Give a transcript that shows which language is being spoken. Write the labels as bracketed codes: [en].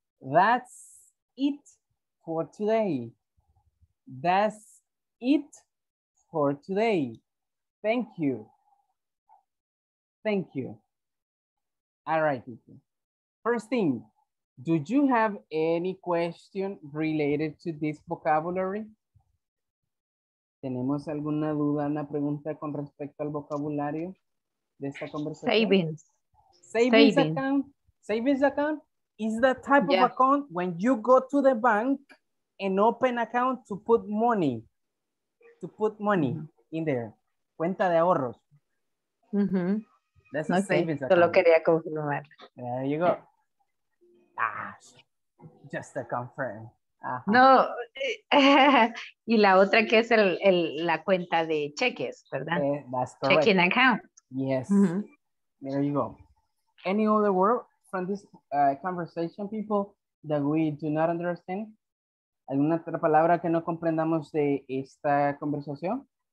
[en] That's it for today. That's it for today. Thank you. Thank you. All right. First thing, do you have any question related to this vocabulary? [es] ¿Tenemos alguna duda, una pregunta con respecto al vocabulario de esta conversación? [en] Savings. Savings account. Savings account is the type of account when you go to the bank and open account to put money. To put money in there. [es] Cuenta de ahorros. [en] Mm-hmm. That's a savings account. [es] Solo quería confirmar. [en] There you go. Ah, just to confirm. Ajá. [es] No, y la otra que es la cuenta de cheques, ¿verdad? [en] That's correct. Checking account. Yes. Mm-hmm. There you go. Any other word from this conversation, people, that we do not understand? [es] ¿Alguna otra palabra que no comprendamos de esta conversación?